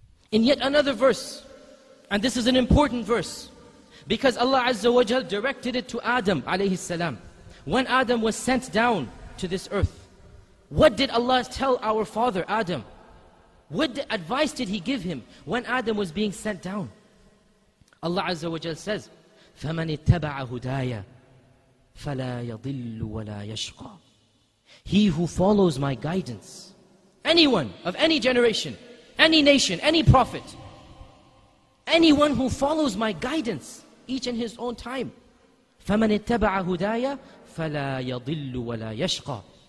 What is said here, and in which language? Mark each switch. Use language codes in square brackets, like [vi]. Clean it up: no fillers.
[en] In yet another verse, and this is an important verse, because Allah Azza wa Jal directed it to Adam alayhi salam. When Adam was sent down to this earth, what did Allah tell our father Adam? What advice did he give him when Adam was being sent down? Allah Azza wa Jal says, [ar] فَمَنِ اتَّبَعَ هُدَايَ فَلَا يَضِلُّ وَلَا يَشْقَى. [en] He who follows my guidance, anyone of any generation, any nation, any prophet, anyone who follows my guidance, each in his own time, [ar] فَمَنِ اتَّبَعَ هُدَايَ فَلَا يَضِلُّ وَلَا يَشْقَى.